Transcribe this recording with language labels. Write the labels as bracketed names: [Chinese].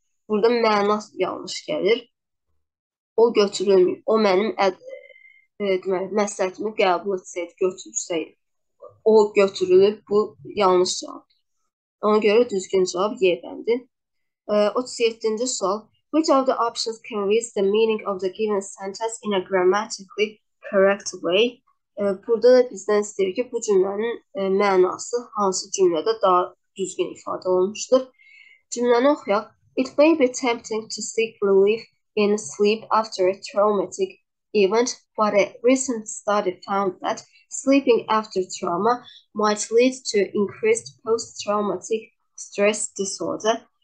[Azerbaijani] Burada məna yanlış gəlir. O götürülmüyor. O mənim məsləhətimi qəbul etsəydi, götürsəydi. O götürülüb, bu yanlış cavab. Ona görə düzgün cavab Y bəndi. 37-ci sual. [English] Which of the options conveys the meaning of the given sentence in a grammatically correct way? [Azerbaijani] Burada da bizdən istəyir ki, bu cümlənin mənası hansı cümlədə daha düzgün ifadə olmuşdur. Cümləni oxuyaq. [English] It may be tempting to seek relief in sleep after a traumatic event, but a recent study found that sleeping after trauma might lead to increased post-traumatic stress disorder.